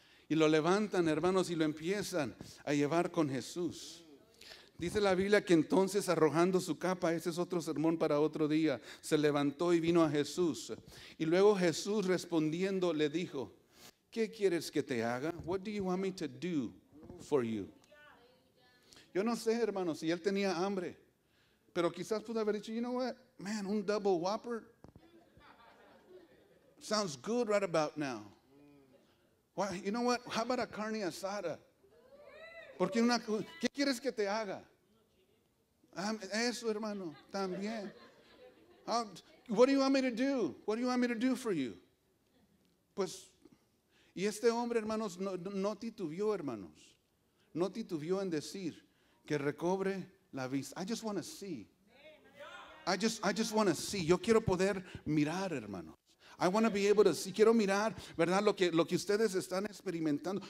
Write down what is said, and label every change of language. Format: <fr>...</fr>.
<es>Y lo levantan, hermanos, y lo empiezan a llevar con Jesús. Dice la Biblia que entonces, arrojando su capa, ese es otro sermón para otro día, se levantó y vino a Jesús. Y luego Jesús, respondiendo, le dijo, ¿qué quieres que te haga?</es> <en>What do you want me to do for you?</en> <es>Yo no sé, hermano, si él tenía hambre, pero quizás pudo haber dicho,</es> <en>you know what, man,</en> <es>un double whopper.</es> <en>Sounds good right about now. Why, you know what, how about a carne asada?</en> <es>Porque ¿qué quieres que te haga? Eso, hermano, también.</es> <en>What do you want me to do? What do you want me to do for you?</en> <es>Pues, y este hombre, hermanos, no titubeó, hermanos. No titubeó en decir que recobre la vista.</es> <en>I just want to see. I just want to see.</en> <es>Yo quiero poder mirar, hermanos.</es> <en>I want to be able to see.</en> <es>Quiero mirar, ¿verdad? Lo que ustedes están experimentando.</es>